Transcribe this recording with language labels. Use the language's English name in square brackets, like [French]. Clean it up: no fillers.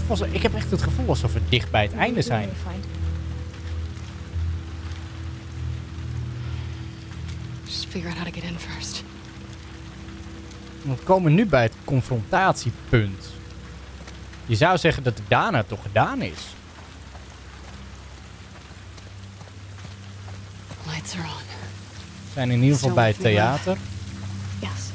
[Dutch] Ik heb echt het gevoel alsof we dicht bij het einde zijn. [English] Just figure out how to get in first. [Dutch] We komen nu bij het confrontatiepunt. Je zou zeggen dat daarna toch gedaan is. [English] Lights are on. [Dutch] Zijn in ieder geval bij het theater. [English] Yes.